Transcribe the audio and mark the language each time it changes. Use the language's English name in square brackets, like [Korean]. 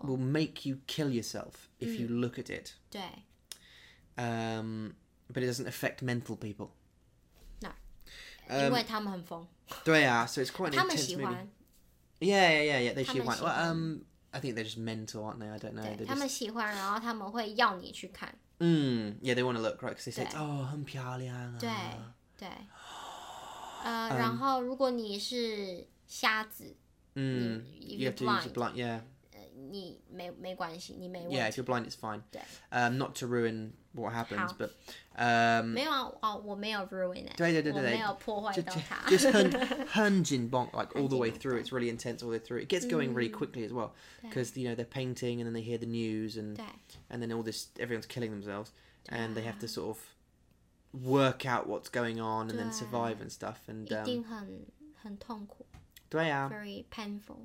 [English] will make you kill yourself if you look at it, [Chinese] 对, [English] but it doesn't affect mental people, no, [Chinese] 因为他们很疯, 对啊, [English] so it's quite an intense [Chinese] 他们喜欢, [English] movie, yeah, they [Chinese] 喜欢, [English] well, I think they're just mental, aren't they? I don't know. [Chinese] 他们喜欢, 然后他们会要你去看。 [English] Yeah, they want to look, right? Because they say, [Chinese] 很漂亮啊。对。然后如果你是瞎子, [English] you have to use a blind, yeah. [Chinese] 你没关系，你没问题。 [English] Yeah, if you're blind, it's fine. [Chinese] 对。 [English] Not to ruin what happens, but... [Chinese] 没有啊，我没有 [English] ruin it. [Chinese] 对对对对。我没有破坏到它。 [English] Just [Chinese] 很紧绷, [English] like all the way through. It's really intense all the way through. It gets going really quickly as well. Because, you know, they're painting and then they hear the news and... And then all this, everyone's killing themselves. And they have to sort of work out what's going on and then survive and stuff. And [Chinese] 一定很痛苦。对啊, [English] very painful.